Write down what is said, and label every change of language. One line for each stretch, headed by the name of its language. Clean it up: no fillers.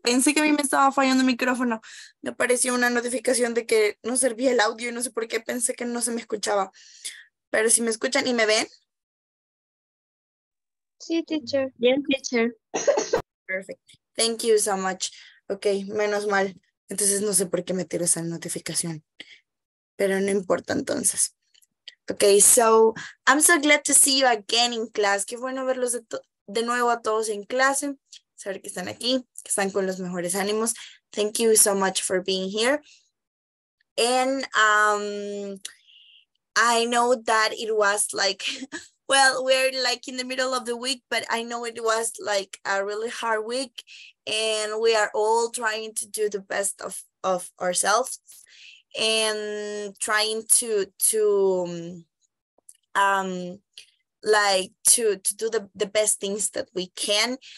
Spanish: Pensé que a mí me estaba fallando el micrófono. Me apareció una notificación de que no servía el audio y no sé por qué pensé que no se me escuchaba. Pero si me escuchan y me ven. Sí, teacher. Bien, teacher.
English: Perfect. Thank you so much. Ok,
Spanish: menos mal. Entonces no sé por qué me tiró esa notificación. Pero no importa entonces.
English: Ok, so I'm so glad to see you again in class.
Spanish: Qué bueno verlos de nuevo a todos en clase, saber que están aquí, que están con los mejores ánimos.
English: Thank you so much for being here. And I know that it was like, well, we're like in the middle of the week, but I know it was like a really hard week and we are all trying to do the best of ourselves and trying to do the best things that we can.